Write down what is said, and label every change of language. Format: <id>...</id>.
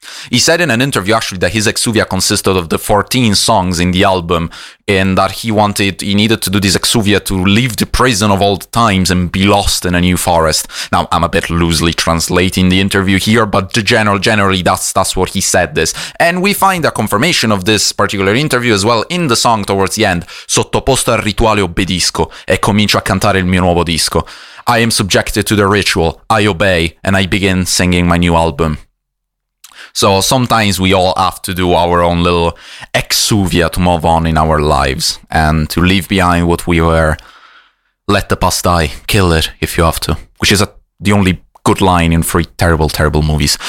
<en>He said in an interview, actually, that his exuvia consisted of the 14 songs in the album and that he needed to do this exuvia to leave the prison of old times and be lost in a new forest. Now, I'm a bit loosely translating the interview here, but generally that's what he said this. And we find a confirmation of this particular interview as well in the song towards the end.</en> <it>Sottoposto al rituale obbedisco e comincio a cantare il mio nuovo disco.</it> <en>I am subjected to the ritual, I obey, and I begin singing my new album. So sometimes we all have to do our own little exuvia to move on in our lives and to leave behind what we were. Let the past die, kill it if you have to, which is the only good line in three terrible, terrible movies.</en>